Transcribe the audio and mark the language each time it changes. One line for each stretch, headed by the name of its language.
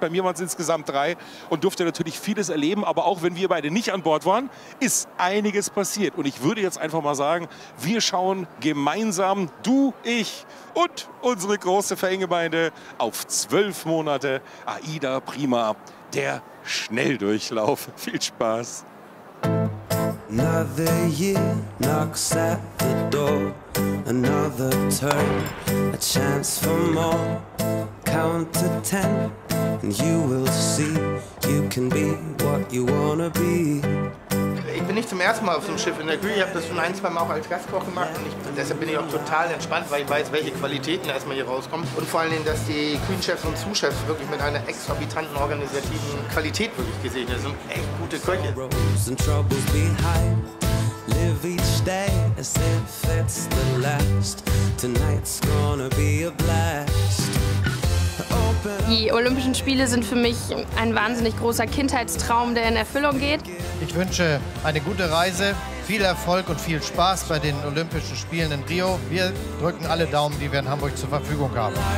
German: Bei mir waren es insgesamt 3 und durfte natürlich vieles erleben. Aber auch wenn wir beide nicht an Bord waren, ist einiges passiert. Und ich würde jetzt einfach mal sagen, wir schauen gemeinsam, du, ich und unsere große Fangemeinde, auf 12 Monate AIDA Prima, der Schnelldurchlauf. Viel Spaß.
English: Another year knocks at the door, another turn, a chance for more, count to 10 and you will see, you can be what you wanna be.
German: Ich bin nicht zum ersten Mal auf so einem Schiff in der Crew. Ich habe das schon 1-2 Mal auch als Gastkoch gemacht. Und deshalb bin ich auch total entspannt, weil ich weiß, welche Qualitäten erstmal hier rauskommen. Und vor allen Dingen, dass die Queen-Chefs und Sous-Chefs wirklich mit einer exorbitanten organisativen Qualität wirklich gesehen sind. Das sind echt gute Köche.
English: In troubles behind, live each day as if it's the last. Tonight's gonna be a blast.
German: Die Olympischen Spiele sind für mich ein wahnsinnig großer Kindheitstraum, der in Erfüllung geht. Ich wünsche eine gute Reise, viel Erfolg und viel Spaß bei den Olympischen Spielen in Rio. Wir drücken alle Daumen, die wir in Hamburg zur Verfügung haben.